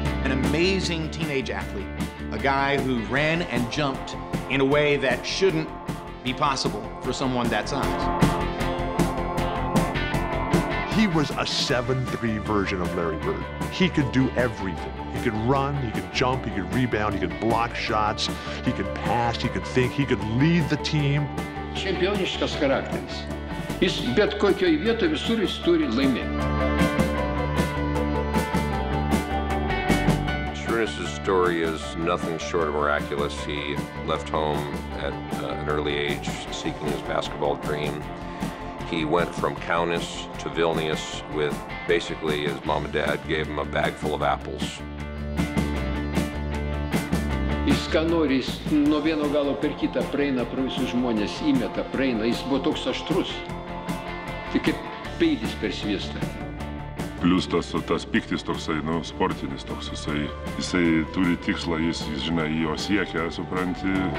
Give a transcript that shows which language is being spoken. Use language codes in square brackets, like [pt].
[en] Amazing teenage athlete, a guy who ran and jumped in a way that shouldn't be possible for someone that size. He was a 7'3 version of Larry Bird. He could do everything. He could run, he could jump, he could rebound, he could block shots, he could pass, he could think, he could lead the team. [lt] Championiškas charakteris. Jis bet kokioj vietoj visur jis turi laimėti. [en] Šarūnas' story is nothing short of miraculous. He left home at an early age seeking his basketball dream. He went from Kaunas to Vilnius with basically his mom and dad gave him a bag full of apples. [lt] Jis ką nori, jis nuo vieno galo per kitą praeina pro visus žmonės, įmeta, praeina. Jis buvo toks aštrus, tik kaip peidis per sviestą. Plius tas piktis toksai, nu, sportinis toks, jisai turi tikslą, jis žinai, jo siekia, supranti.